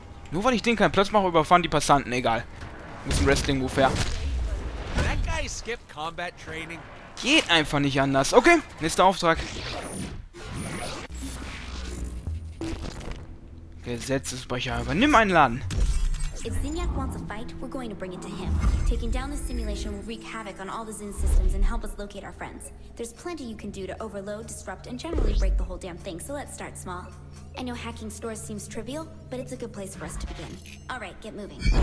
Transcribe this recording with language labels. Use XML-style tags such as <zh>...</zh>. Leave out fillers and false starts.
<de>Nur weil ich den keinen Platz mache, überfahren die Passanten. Egal. Muss ein Wrestling-Move her.</de> <en>That guy skipped combat training.</en> <de>Geht einfach nicht anders. Okay, nächster Auftrag. Gesetzesbrecher übernimm einen Laden.</de> <en>If Zinyak wants a fight, we're going to bring it to him. Taking down this simulation will wreak havoc on all the Zin systems and help us locate our friends. There's plenty you can do to overload, disrupt, and generally break the whole damn thing, so let's start small. I know hacking stores seems trivial, but it's a good place for us to begin. All right, get moving.</en>